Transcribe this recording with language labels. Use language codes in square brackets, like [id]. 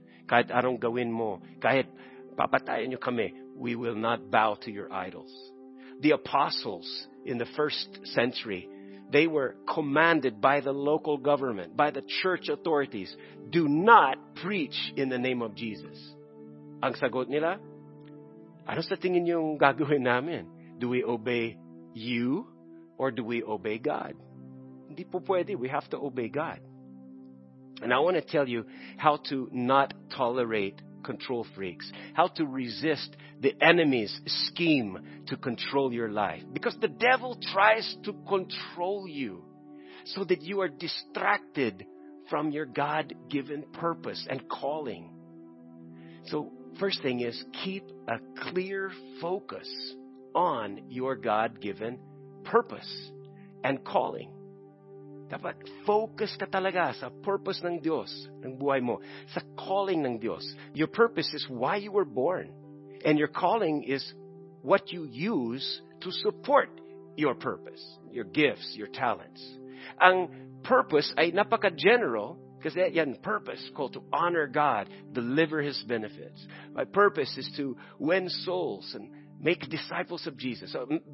[tl] Kahit anong gawin mo, kahit papatayin niyo kami, [en] we will not bow to your idols. The apostles in the first century, they were commanded by the local government, by the church authorities, do not preach in the name of Jesus. [tl] Ang sagot nila, ano sa tingin niyong gagawin namin? [en] Do we obey you or do we obey God? [tl] Hindi po pwede. [en] We have to obey God. And I want to tell you how to not tolerate control freaks, how to resist the enemy's scheme to control your life. Because the devil tries to control you so that you are distracted from your God-given purpose and calling. So first thing is keep a clear focus on your God-given purpose and calling. [tl] Dapat focus ka talaga sa purpose ng Diyos, ng buhay mo, sa calling ng Diyos. [en] Your purpose is why you were born. And your calling is what you use to support your purpose, your gifts, your talents. [tl] Ang purpose ay napaka-general, kasi yan, [en] purpose, called to honor God, deliver His benefits. My purpose is to win souls and make disciples of Jesus. So,